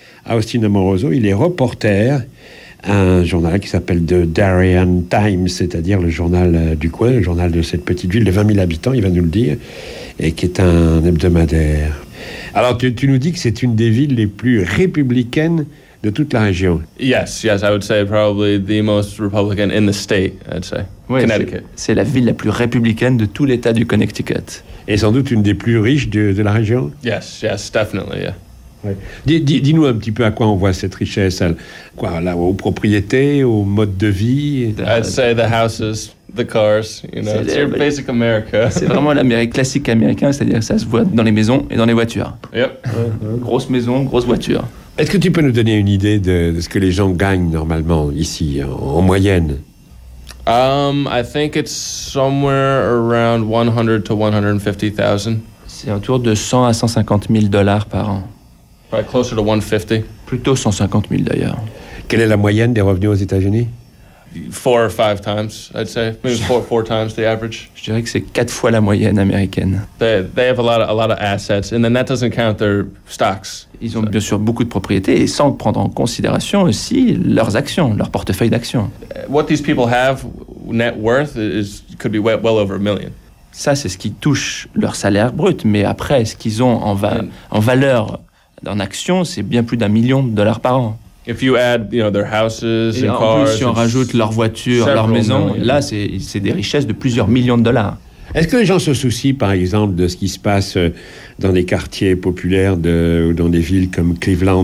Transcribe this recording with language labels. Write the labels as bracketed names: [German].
[French] Austin Amoroso, il est reporter à un journal qui s'appelle The Darien Times, c'est-à-dire le journal du coin, le journal de cette petite ville de 20 000 habitants, il va nous le dire, et qui est un hebdomadaire. Alors, tu nous dis que c'est une des villes les plus républicaines de toute la région. [English] Yes, I would say probably the most Republican in the state, I'd say. [French] Oui, [English] Connecticut. [French] C'est la ville la plus républicaine de tout l'état du Connecticut. Et sans doute une des plus riches de la région. [English] Yes, definitely, yeah. [French] Ouais. Dis-nous un petit peu à quoi on voit cette richesse. Quoi, là, aux propriétés, au mode de vie. [English] I'd say the houses. The cars, you know, it's basic America. [French] C'est vraiment l'Amérique classique américaine, c'est-à-dire que ça se voit dans les maisons et dans les voitures. [English] Yep. [French] Grosse maison, grosse voiture. Est-ce que tu peux nous donner une idée de ce que les gens gagnent normalement ici, en moyenne? [English] I think it's somewhere around 100 to 150,000. [French] C'est autour de 100 à 150 000 dollars par an. [English] Probably closer to 150. [French] Plutôt 150 000 d'ailleurs. Quelle est la moyenne des revenus aux États-Unis? [English] Four or five times, I'd say. Maybe four times the average. [French] Je dirais que c'est quatre fois la moyenne américaine. [English] They have a lot of assets, and then that doesn't count their stocks. [French] Ils ont bien sûr beaucoup de propriétés, et sans prendre en considération aussi leurs actions, leur portefeuille d'actions. [English] What these people have net worth is could be well over a million. [French] Ça, c'est ce qui touche leur salaire brut, mais après, ce qu'ils ont en valeur en actions, c'est bien plus $1 million par an. [English] If you add, you know, their houses [French] et [English] and cars, [French] en plus, si on rajoute leurs voitures, leurs maisons, là, c'est des richesses de plusieurs millions de dollars. Est-ce que les gens se soucient, par exemple, de ce qui se passe dans des quartiers populaires ou dans des villes comme Cleveland?